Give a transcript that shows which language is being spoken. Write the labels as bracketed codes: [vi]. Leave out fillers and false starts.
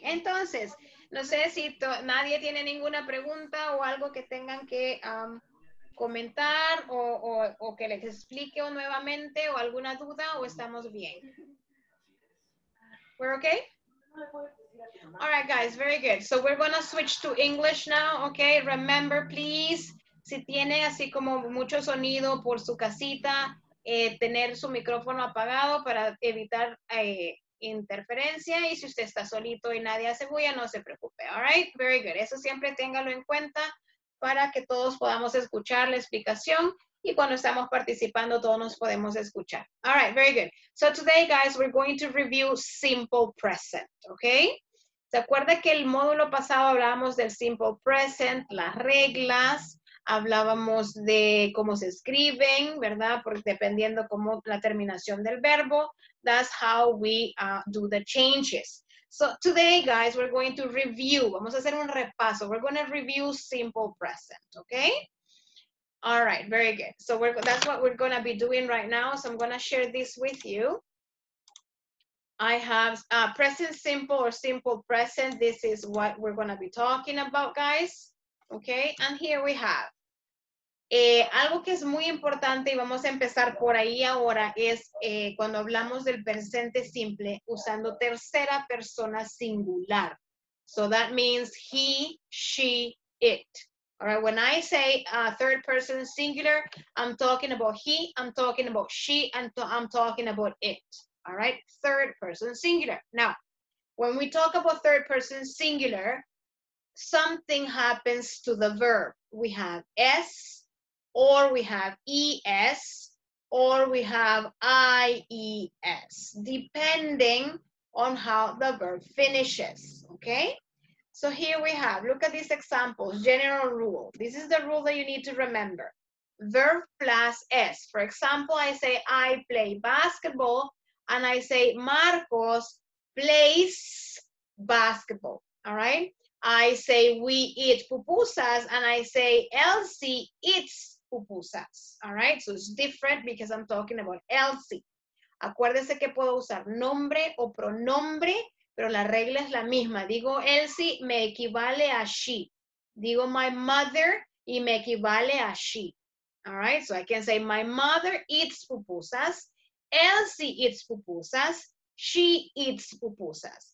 [es] Entonces, no sé si nadie tiene ninguna pregunta o algo que tengan que comentar o que les explique nuevamente o alguna duda o estamos bien. [en] We're okay? All right, guys. Very good. So we're going to switch to English now. Okay. [es] Remember, please, si tiene así como mucho sonido por su casita, tener su micrófono apagado para evitar interferencia y si usted está solito y nadie hace bulla, no se preocupe. [en] All right, very good. [es] Eso siempre téngalo en cuenta para que todos podamos escuchar la explicación y cuando estamos participando todos nos podemos escuchar. [en] All right, very good. So today, guys, we're going to review simple present, okay? [es] ¿Se acuerda que el módulo pasado hablábamos del simple present, las reglas? Hablábamos de cómo se escriben, ¿verdad? Porque dependiendo cómo la terminación del verbo, [en] that's how we do the changes. So today, guys, we're going to review. [es] Vamos a hacer un repaso. [en] We're going to review simple present, okay? All right, very good. So that's what we're going to be doing right now. So I'm going to share this with you. I have present simple or simple present. This is what we're going to be talking about, guys. Okay, and here we have. [es] Algo que es muy importante y vamos a empezar por ahí ahora es cuando hablamos del presente simple usando tercera persona singular. [en] So that means he, she, it. All right, when I say third person singular, I'm talking about he, I'm talking about she, and I'm talking about it. All right, third person singular. Now, when we talk about third person singular, something happens to the verb. We have S, or we have ES, or we have IES, depending on how the verb finishes, okay? So here we have, look at these examples, general rule. This is the rule that you need to remember. Verb plus S. For example, I say, I play basketball, and I say, Marcos plays basketball, all right? I say, we eat pupusas, and I say, Elsie eats pupusas, all right? So it's different because I'm talking about Elsie. [es] Acuérdese que puedo usar nombre o pronombre, pero la regla es la misma. Digo Elsie, me equivale a she. Digo [en] my mother, [es] y me equivale a she. [en] All right, so I can say my mother eats pupusas, Elsie eats pupusas, she eats pupusas.